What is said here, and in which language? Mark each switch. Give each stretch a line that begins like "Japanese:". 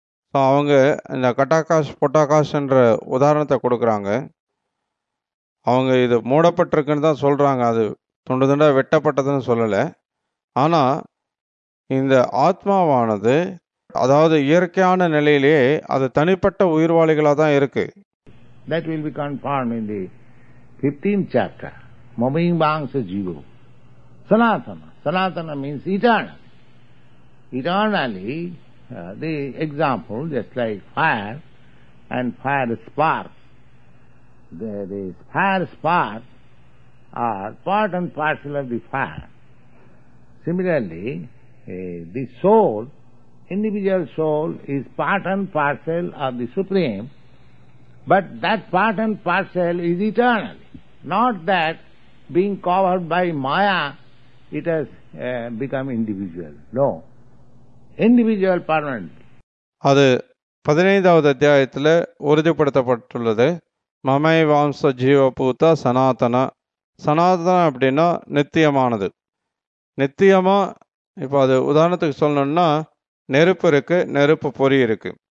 Tamil: So அவங்க இந்த கட்டாகாஷ் பொட்டாகாஷ்ன்ற உதாரணத்தை கொடுக்குறாங்க. அவங்க இது மூடப்பட்டிருக்குன்னு தான் சொல்கிறாங்க, அது துண்டு துண்டாக வெட்டப்பட்டதுன்னு சொல்லலை. ஆனால் இந்த ஆத்மாவானது, அதாவது இயற்கையான நிலையிலேயே அது தனிப்பட்ட உயிர்வாளிகளாக தான் இருக்கு.
English: That will be confirmed in the 15th chapter.
Sanskrit: Mamayim Bangsa Jivo.
English: Sanatana. Sanatana means eternal. Eternally, the example, just like fire and fire sparks, the fire sparks are part and parcel of the fire. Similarly, the soul, individual soul, is part and parcel of the Supreme. But that part and parcel is eternal. Not that being covered by Maya, it has become individual. No. Individual permanent.
Tamil: அது 15th அத்தியாயத்தில் உறுதிப்படுத்தப்பட்டுள்ளது.
Sanskrit: மமை வாம்ச ஜீவ பூத்த சனாதன.
Tamil: சனாதனம் அப்படின்னா நித்தியமானது. நித்தியமாக இப்போ அது உதாரணத்துக்கு சொல்லணும்னா நெருப்பு இருக்கு, நெருப்பு பொறி இருக்கு.